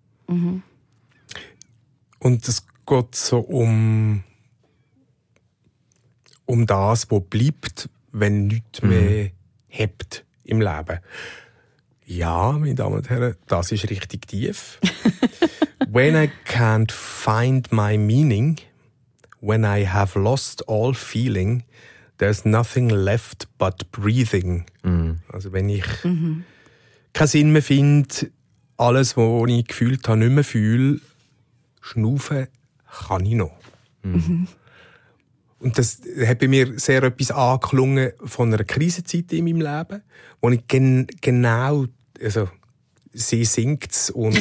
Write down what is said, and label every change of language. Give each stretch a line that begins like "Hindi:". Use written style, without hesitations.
German: Mhm. Und es geht so um das, was bleibt, wenn nichts mehr hebt im Leben. Ja, meine Damen und Herren, das ist richtig tief.
English: When I can't find my meaning, when I have lost all feeling, there's nothing left but breathing. Mhm.
German: Also wenn ich keinen Sinn mehr finde, alles, was ich gefühlt habe, nicht mehr fühle, schnaufen kann ich noch. Und das hat bei mir sehr etwas angeklungen von einer Krisenzeit in meinem Leben, wo ich genau, also sie singt es und